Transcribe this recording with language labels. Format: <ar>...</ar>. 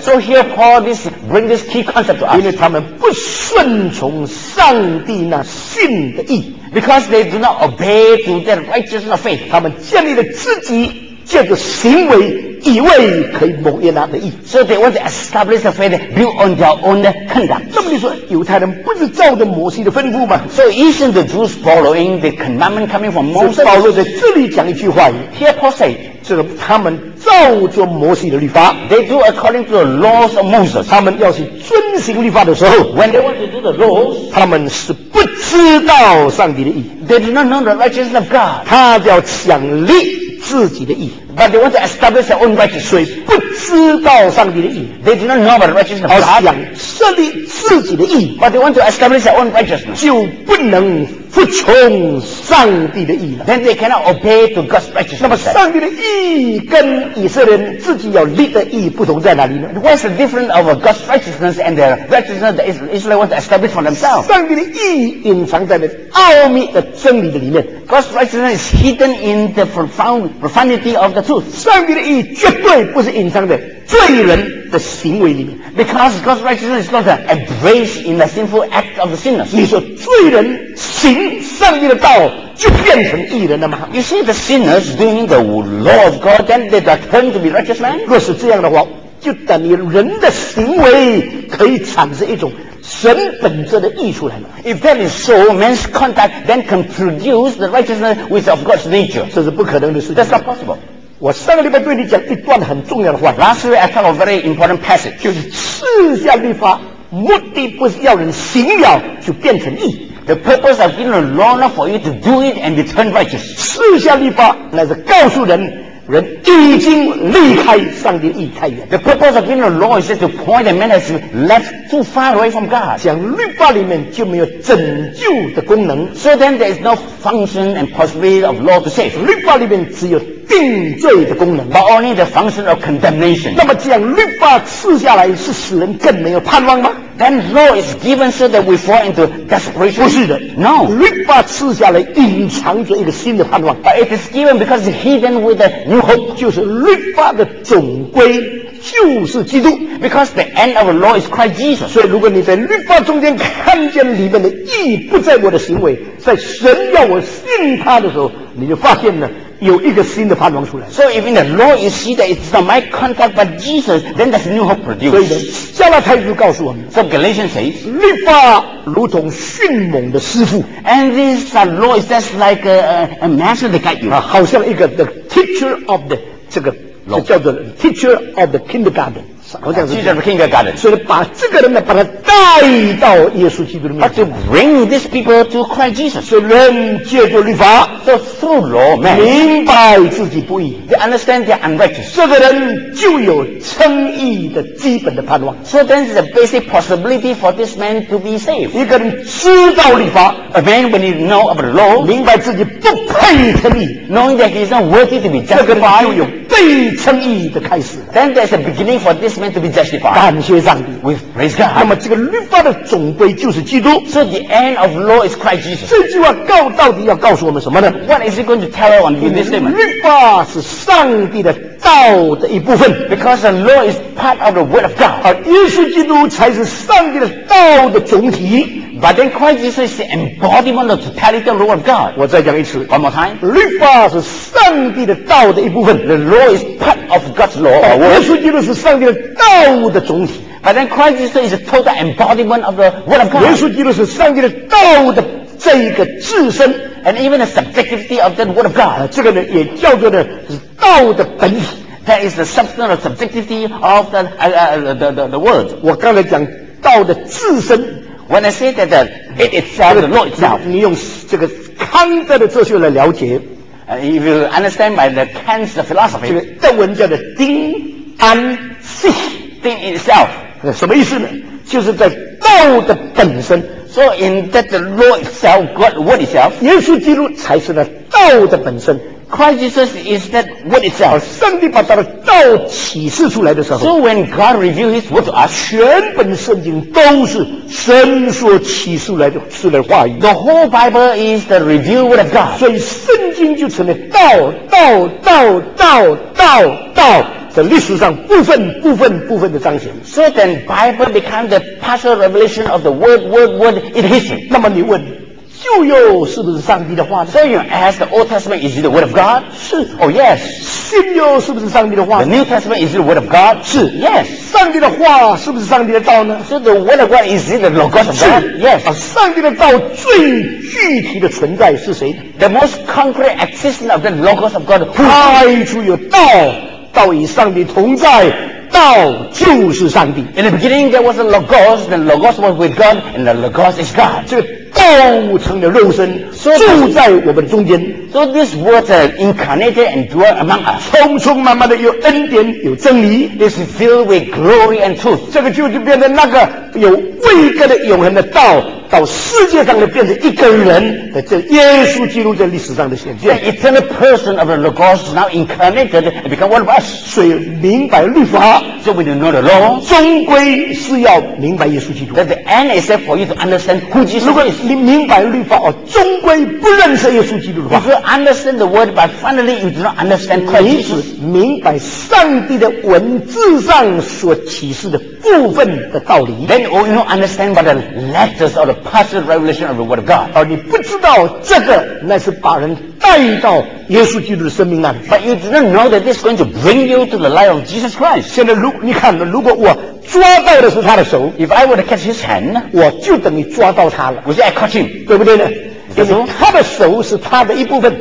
<en>So here Paul this bring this key concept to us.</en> <zh>因为他们不顺从上帝那信的义</zh> <en>，because they do not obey to their righteousness of faith.</en> <zh>他们建立了自己。借着行为以为可以蒙耶拿的义</zh> <en>So they want to establish a faith built on their own conduct</en> <zh>那么你说犹太人不是照着摩西的吩咐吗</zh> <en>So isn't the Jews following the commandment coming from Moses</en> <zh>保罗在这里讲一句话语</zh> <en>Here Paul say</en> <zh>这个他们照着摩西的律法</zh> <en>They do according to the laws of Moses</en> <zh>他们要去遵行律法的时候</zh> <en>When they want to do the laws</en> <zh>他们是不知道上帝的义</zh> <en>They do not know the righteousness of God</en> <zh>他要想立自己的义</zh> <en>but they want to establish their own righteousness</en> <zh>不知道上帝的义</zh> <en>they do not know about righteousness</en> <zh>而想设立自己的义</zh> <en>but they want to establish their own righteousness</en> <zh>就不能服从上帝的义了</zh> <en>then they cannot obey to God's righteousness</en> <zh>那么上帝的义跟以色列人自己要立的义不同在哪里呢</zh> <en>what's the difference of God's righteousness and the righteousness that Israel want to establish for themselves</en> <zh>上帝的义隐藏在奥秘的真理的里面</zh> <en>God's righteousness is hidden in the profundity of the truth</en> <zh>上帝的义绝对不是隐藏在罪人的行为里面</zh> <en>because God's righteousness is not an embrace in the sinful act of the sinners</en> <zh>你说罪人行上帝的道就变成义人了吗</zh> <en>you see the sinners doing the law of God then they are turned to be righteous men</en> <zh>若是这样的话就等于人的行为可以产生一种神本质的义出来了</zh> <en>if that is so man's conduct then can produce the righteousness which of God's nature</en> <zh>这是不可能的事情</zh> <en>that's not possible</en> <zh>我上个礼拜对你讲一段很重要的话</zh> <en>Last week I talked a very important passage</en> <zh>就是赐下律法目的不是要人行了就变成义</zh> <en>The purpose of giving the law not for you to do it and be turned righteous</en> <zh>赐下律法乃是告诉人人已经离开上帝的义太远</zh> <en>The purpose of giving the law is just to point the man has left too far away from God</en> <zh>讲律法里面就没有拯救的功能</zh> <en>So then there is no function and possibility of law to save</en> <zh>律法里面只有定罪的功能</zh> <en>but only the function of condemnation</en> <zh>那么这样律法赐下来是使人更没有盼望吗</zh> <en>Then law is given so that we fall into desperation.</en> <zh>不是的</zh> <en>No.</en> <zh>律法赐下来隐藏着一个新的盼望。</zh> <en>It is given because it's hidden with a new hope.</en> <zh>就是律法的总归就是基督。</zh> <en>Because the end of the law is Christ Jesus.</en> <zh>所以如果你在律法中间看见里面的意义不在我的行为，在神要我信他的时候，你就发现了有一个新的盼望出来。</zh> <en>So if in the law you see that it's not my conduct but Jesus, then there's new hope produced.</en> <zh>所以加拉太书告诉我们</zh> <en>，So Galatians says,</en> <zh>律法如同迅猛的师傅</zh> <en>，And this law is just like a master that got you.</en> <zh>啊，好像一个</zh> <en>the teacher of the</en> <zh>这个这叫做</zh> <en>teacher of the kindergarten。 Teacher of kindergarten.</en> <zh>所以把这个人呢，把他带到耶稣基督的面前。</zh> <en>To bring these people to Christ Jesus.</en> <zh>所以人借着律法</zh> <en>，so through law, man,</en> <zh>明白自己不义</zh> <en>，they understand they're unrighteous.</en> <zh>这个人就有称义的基本的盼望。</zh> <en>So there's a basic possibility for this man to be saved.</en> <zh>一个人知道律法</zh> <en>，a man when he know of the law,</en> <zh>明白自己不配称义</zh> <en>，knowing that he's not worthy to be justified.</en> <zh>这个人就有被称义的开始。</zh> <en>Then there's a beginning for this man to be justified.</en> <zh>感谢上帝</zh> <en>，with praise God.</en> <zh>那么这个律法的总归就是基督。</zh> <en>So the end of law is Christ Jesus.</en> <zh>这句话告到底要告诉我们什么呢</zh> <en>？What is it going to tell us in this statement?</en> <zh>律法是上帝的道的一部分</zh> <en>，because the law is part of the word of God.</en> <zh>而耶稣基督才是上帝的道的总体。</zh> <en>But then Christ Jesus is the embodiment of the totality of the law of God.</en> <zh>我再讲一次</zh> <en>，one more time.</en> <zh>律法是上帝的道的一部分</zh> <en>，the law is part of God's law.</en> <zh>耶稣基督是上帝的道的总体</zh> <en>，but then Christ Jesus is the total embodiment of the word of God.</en> <zh>耶稣基督是上帝的道的这一个自身</zh> <en>，and even the subjectivity of the word of God.</en> <zh>这个呢也叫做呢是道的本体</zh> <en>，that is the substance of subjectivity of the word.</en> <zh>我刚才讲道的自身。</zh> <en>When I say that the, it itself, the law itself,</en> <zh>你用这个康德的哲学来了解</zh> <en>if you understand by the Kant's philosophy,</en> <zh>这个德文叫做 Ding an sich,</zh> <en>Ding itself,</en> <zh>什么意思呢？就是在道的本身。</zh> <en>So in that the law itself, God, what itself,</en> <zh>耶稣基督才是那道的本身。</zh> <en>Christ Jesus is that word itself.</en> <zh>上帝把他的道启示出来的时候</zh> <en>So when God revealed his word to us,</en> <zh>全本圣经都是神所启示来的出来的话语</zh> <en>The whole Bible is the revealed word of God.</en> <zh>所以圣经就成了道道道道道道在历史上部分部分部分的彰显</zh> <en>So then Bible becomes the partial revelation of the word word word in history.</en> <zh>那么你问旧约是不是上帝的话</zh> <en>So you ask the Old Testament is it the word of God?</en> <zh>是</zh> <en>Oh yes</en> <zh>新约是不是上帝的话</zh> <en>The New Testament is it the word of God?</en> <zh>是</zh> <en>Yes</en> <zh>上帝的话是不是上帝的道呢</zh> <en>So the word of God is it the Logos of God?</en> <zh>是</zh> <en>Yes</en> <zh>上帝的道最具体的存在是谁</zh> <en>The most concrete existence of the Logos of God</en> <zh>开出有道道与上帝同在道就是上帝</zh> <en>In the beginning there was a Logos The Logos was with God And the Logos is God</en> <zh>这个道成了肉身 so, 住在我们中间</zh> <en>So this word incarnated and dwelt among us</en> <zh>匆匆忙忙的有恩典有真理</zh> <en>This is filled with glory and truth</en> <zh>这个就变成那个有位格的永恒的道到世界上来变成一个人的这耶稣基督在历史上的显现</zh> <en>The eternal person of the Logos now incarnated and become one of us</en> <zh>所以明白律法</zh> <en>So we don't know the law</en> <zh>终归是要明白耶稣基督</zh> <en>That the end is there for you to understand who Jesus is</en> <zh>你明白律法、哦、终归不认识耶稣基督的话</zh> <en>If you understand the word but finally you do not understand Christ</en> <zh>你只明白上帝的文字上所启示的部分的道理</zh> <en>Then you don't understand but the letters or the partial revelation of the word of God</en> <zh>而你不知道这个那是把人带到耶稣基督的生命那里</zh> <en>But you do not know that this is going to bring you to the light of Jesus Christ</en> <zh>现在如你看如果我抓到的是他的手</zh> <en>If I were to catch his hand</en> <zh>我就等于抓到他了</zh> <en>Would you I caught him</en> <zh>对不对呢因为他的手是他的一部分</zh>